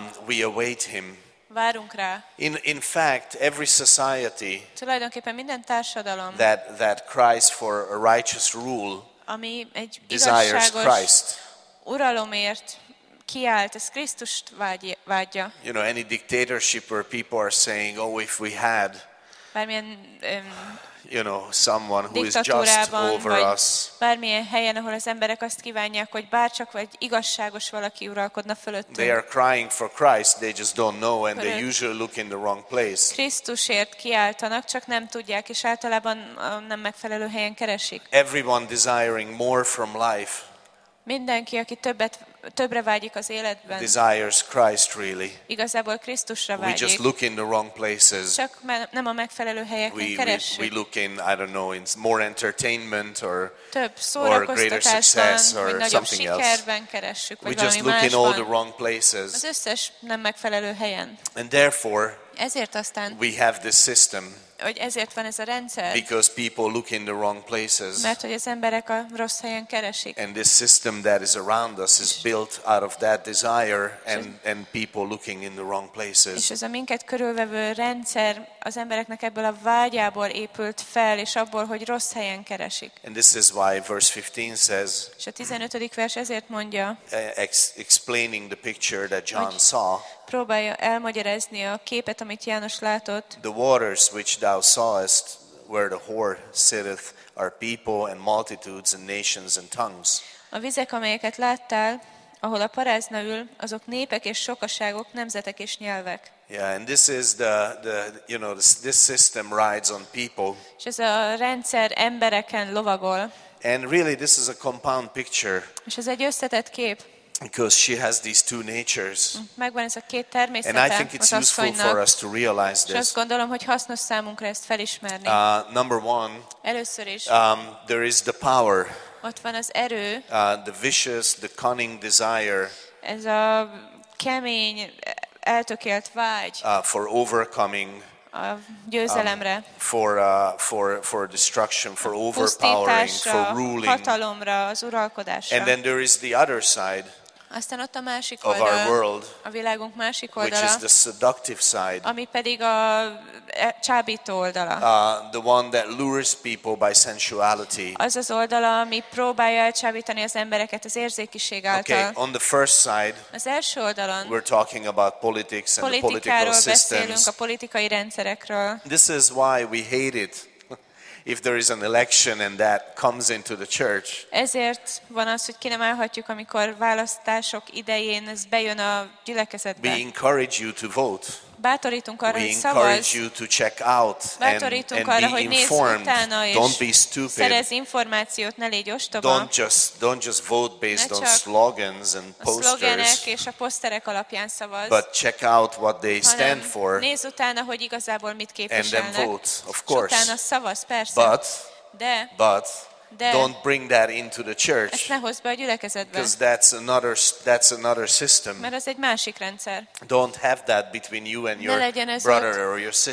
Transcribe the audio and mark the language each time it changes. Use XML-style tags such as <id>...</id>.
<en>We await him.</en> <hu>Várunk rá.</hu> <en>In fact, every society.</en> <hu>Tulajdonképpen minden társadalom.</hu> <en>That cries for a righteous rule.</en> <hu>Ami egy igazságos uralomért kiált, ez Krisztust vágyja.</hu> <en>You know, any dictatorship where people are saying, oh, if we had.</en> <hu>Bármilyen</hu> <en>you know, someone who is just over us.</en> <hu>Bármilyen helyen, ahol az emberek azt kívánják, hogy bárcsak vagy igazságos valaki uralkodna fölöttünk.</hu> <en>They are crying for Christ, they just don't know, and they usually look in the wrong place.</en> <hu>Krisztusért kiáltanak, csak nem tudják, és általában nem megfelelő helyen keresik.</hu> <en>Everyone desiring more from life.</en> <hu>Mindenki, aki többre vágyik az életben.</hu> <en>Desires Christ really.</en> <hu>Igazából Krisztusra vágyik.</hu> <en>We just look in the wrong places.</en> <hu>Csak nem a megfelelő helyeken keresünk.</hu> <en>We look in, I don't know, in more entertainment or</en> <hu>több szórakoztatásban,</hu> <en>or something else.</en> <hu>Nagyobb sikerben keressük,</hu> <en>we just look in all the wrong places.</en> <hu>Az összes nem megfelelő helyen.</hu> <en>And therefore,</en> <hu>ezért aztán</hu> <en>we have this system.</en> <hu>Hogy ezért van ez a rendszer.</hu> <en>Because people look in the wrong places.</en> <hu>Mert hogy az emberek a rossz helyen keresik.</hu> <en>And this system that is around us is built out of that desire and people looking in the wrong places.</en> <hu>És ez a minket körülvevő rendszer az embereknek ebből a vágyából épült fel, és abból, hogy rossz helyen keresik.</hu> <en>And this is why verse 15 says.</en> <hu>És a 15. vers ezért mondja.</hu> <en>Explaining the picture that John saw.</en> <hu>Próbálja elmagyarázni a képet, amit János látott.</hu> <en>The waters which thou sawest, where the whore sitteth, are people and multitudes and nations and tongues.</en> <hu>A vizek, amelyeket láttál, ahol a parázna ül, azok népek és sokaságok, nemzetek és nyelvek.</hu> <en>Yeah, and this is the you know this system rides on people.</en> <hu>És ez a rendszer embereken lovagol.</hu> <en>And really, this is a compound picture.</en> <hu>És ez egy összetett kép.</hu> <en>Because she has these two natures.</en> <hu>Megvan ez a két természete.</hu> <en>And I think it's useful for us to realize this.</en> <hu>És azt gondolom, hogy hasznos számunkra ezt felismerni.</hu> <en>Number one.</en> <hu>Először is.</hu> <en>There is the power.</en> <hu>Ott van az erő.</hu> <en>The vicious, the cunning desire.</en> <hu>Ez a kemény, eltökélt vágy.</hu> <en>For overcoming.</en> <hu>A győzelemre.</hu> <en>For destruction, for overpowering, for ruling.</en> <hu>Hatalomra, az uralkodásra.</hu> <en>And then there is the other side.</en> <hu>Aztán ott a másik oldala,</hu> <en>our world,</en> <hu>a világunk másik oldala,</hu> <en>which is the seductive side,</en> <hu>ami pedig a csábító oldala,</hu> <en>the one that lures people by sensuality.</en> <hu>Az az oldala, ami próbálja elcsábítani az embereket az érzékiség által.</hu> <en>Okay, on the first side,</en> <hu>az első oldalon,</hu> <en>we're talking about politics and the political systems.</en> <hu>Politikáról beszélünk, a politikai rendszerekről.</hu> <en>This is why we hate it. If there is an election and that comes into the church.</en> <hu>Ezért van az, hogy ki nem állhatjuk, amikor választások idején ez bejön a gyülekezetbe.</hu> <en>We encourage you to vote.</en> <hu>Bátorítunk arra, hogy szavazz.</hu> <en>We encourage you to check out and be informed. Don't be stupid.</en> <hu>Szerezz információt, ne légy ostoba.</hu> <en>Don't just vote based on slogans and posters.</en> <hu>A szlogenek és a poszterek alapján szavazz.</hu> <en>But check out what they stand for.</en> <hu>Nézz utána, hogy igazából mit képviselnek.</hu> <en>And then vote, of course.</en> <hu>Utána szavazz, persze.</hu> <en>But don't bring that into the church.</en> <hu>Ezt ne hozz be a gyülekezetbe.</hu> <en>Because that's another system.</en> <hu>Mert ez egy másik rendszer.</hu> <en>Don't have that between you and your brother or your sister.</en>